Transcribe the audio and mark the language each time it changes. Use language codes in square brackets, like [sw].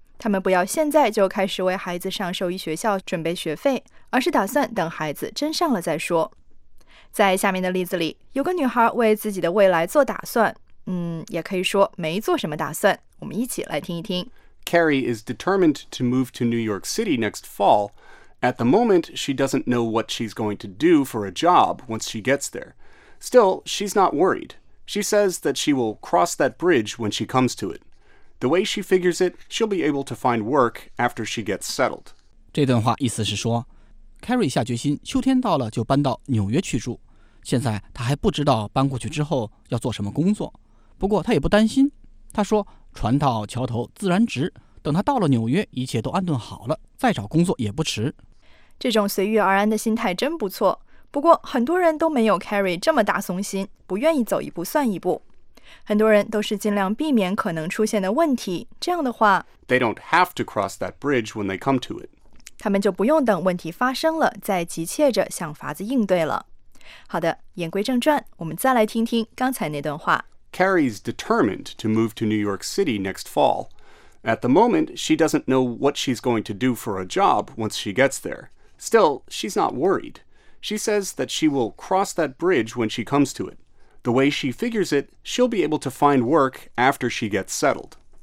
[zh] 他们不要现在就开始为孩子上兽医学校准备学费，而是打算等孩子真上了再说。在下面的例子里，有个女孩为自己的未来做打算，也可以说没做什么打算。我们一起来听一听。 [en] Carrie is determined to move to New York City next fall. At the moment, she doesn't know what she's going to do for a job once she gets there. Still, she's not worried. She says that she will cross that bridge when she comes to it. The way she figures it, she'll be able to find work after she gets settled. [zh] 这段话意思是说 ，Carrie 下决心秋天到了就搬到纽约去住。现在她还不知道搬过去之后要做什么工作，不过她也不担心。她说：“船到桥头自然直。” 等他到了纽约，一切都安顿好了，再找工作也不迟。这种随遇而安的心态真不错。不过很多人都没有 Carrie 这么大松心，不愿意走一步算一步。很多人都是尽量避免可能出现的问题。这样的话 [en] ，They don't have to cross that bridge when they come to it。 [zh] 他们就不用等问题发生了，再急切着想法子应对了。好的，言归正传，我们再来听听刚才那段话。 [en] Carrie's determined to move to New York City next fall. At the moment, she doesn't know what she's going to do for a job once she gets there. Still, she's not worried. She says that she will cross that bridge when she comes to it. The way she figures it, she'll be able to find work after she gets settled.